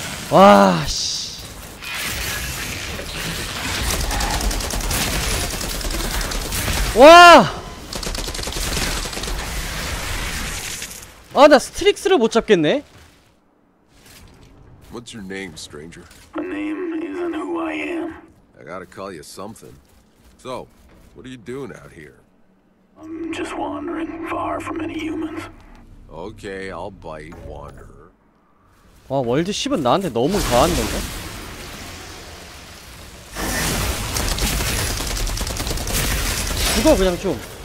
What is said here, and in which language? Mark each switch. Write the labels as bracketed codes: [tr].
[ko] 와, 씨. 와! 아, 나 스트릭스를 못 잡겠네. [en] What's your name, stranger? My name isn't who I am. I gotta call you something. So, what are you doing out here? I'm just wandering far from any humans. Okay, I'll bite wanderer. [ko] 와, 월드 10은 나한테 너무 과한 건데? 죽어, 그냥 좀.